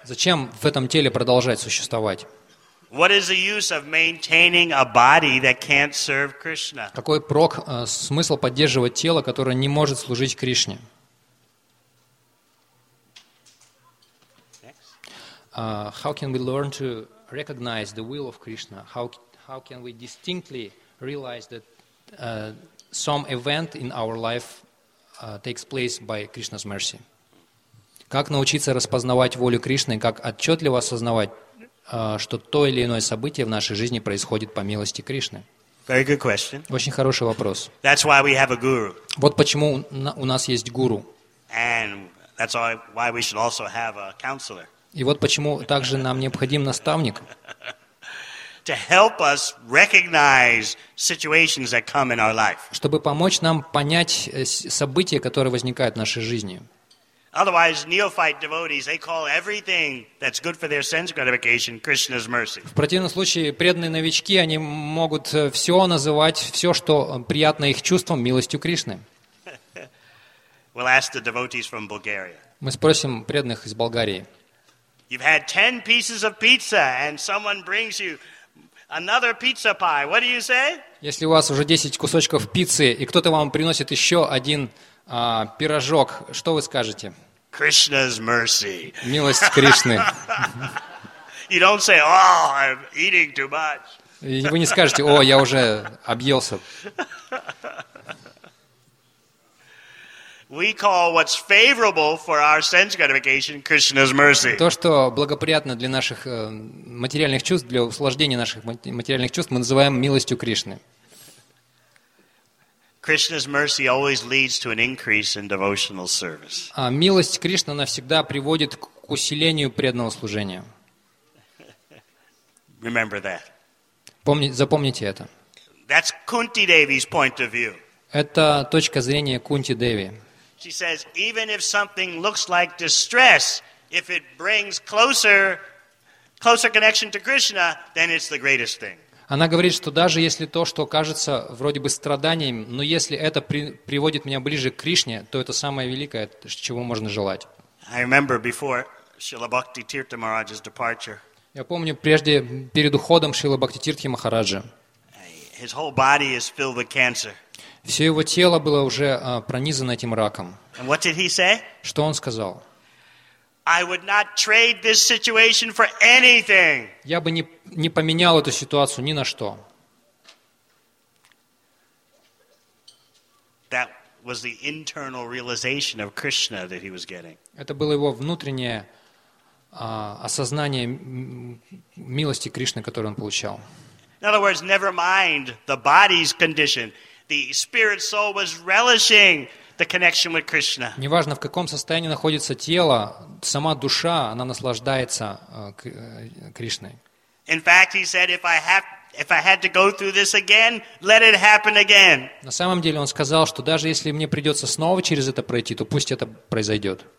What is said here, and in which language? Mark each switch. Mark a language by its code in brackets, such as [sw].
[ru] Зачем в этом теле продолжать существовать? [en] What is the use of maintaining a body that can't serve Krishna? [ru] Какой прок, смысл поддерживать тело, которое не может служить Кришне? [en] How can we learn to recognize the will of Krishna? How can we distinctly realize that some event in our life takes place by Krishna's mercy? [ru] Как научиться распознавать волю Кришны, как отчетливо осознавать что то или иное событие в нашей жизни происходит по милости Кришны. [en] Very good question. [ru] Очень хороший вопрос. [en] That's why we have a guru. [ru] Вот почему у нас есть гуру. [en] And that's why we should also have a counselor. [ru] И вот почему также нам необходим наставник. [en] To help us recognize situations that come in our life. [ru] Чтобы помочь нам понять события, которые возникают в нашей жизни. [en] Otherwise, neophyte devotees, they call everything that's good for their sense gratification Krishna's mercy. [ru] В противном случае, преданные новички, они могут все называть, все, что приятно их чувствам, милостью Кришны. [en] We'll ask the devotees from Bulgaria. [ru] Мы спросим преданных из Болгарии. [en] You've had 10 pieces of pizza, and someone brings you another pizza pie. What do you say? [ru] Если у вас уже 10 кусочков пиццы, и кто-то вам приносит еще один пирожок, что вы скажете? [en] Krishna's mercy. [ru] Милость Кришны. [en] You don't say, "Oh, I'm eating too much." [ru] И вы не скажете: "О, я уже объелся." [en] We call what's favorable for our sense gratification Krishna's mercy. [ru] То, что благоприятно для наших материальных чувств, для услаждения наших материальных чувств, мы называем милостью Кришны. [en] Krishna's mercy always leads to an increase in devotional service. [ru] А милость Кришны навсегда приводит к усилению преданного служения. [en] Remember that. [ru] Запомните это. [en] That's Kunti Devi's point of view. [ru] Это точка зрения Кунти Деви. [en] She says, even if something looks like distress, if it brings closer connection to Krishna, then it's the greatest thing. [ru] Она говорит, что даже если то, что кажется вроде бы страданием, но если это приводит меня ближе к Кришне, то это самое великое, чего можно желать. [en] I remember before Srila Bhakti Tirtha Maharaj's departure. [ru] Я помню, прежде, перед уходом Шрилы Бхактитиртхи Махараджа, [en] his whole body is filled with cancer. [ru] Все его тело было уже пронизано этим раком. [en] And what did he say? [ru] Что он сказал? [en] I would not trade this situation for anything. [ru] Я бы не поменял эту ситуацию ни на что. [en] That was the internal realization of Krishna that he was getting. [ru] Это было его внутреннее осознание милости Кришны, которую он получал. [en] In other words, never mind the body's condition. The spirit soul was relishing the connection with Krishna. [ru] Неважно, в каком состоянии находится тело, сама душа, она наслаждается Кришной. [en] In fact, he said, if I had to go through this again, let it happen again. [ru] На самом деле он сказал, что даже если мне придется снова через это пройти, то пусть это произойдет.